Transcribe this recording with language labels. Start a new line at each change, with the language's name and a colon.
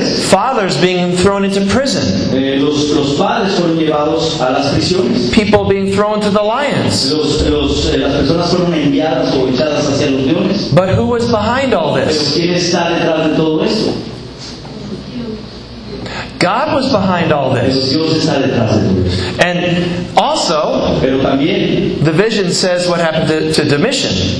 English: Fathers being thrown into prison.
Spanish: Los padres fueron llevados a las prisiones.
English: People being thrown to the lions.
Spanish: Las personas fueron enviadas o echadas hacia los leones.
English: But who was behind all this?
Spanish: ¿Quién está detrás de todo esto?
English: God was behind all this.
Spanish: Dios está detrás de todo.
English: And also,
Spanish: pero también,
English: the vision says what happened to Domitian.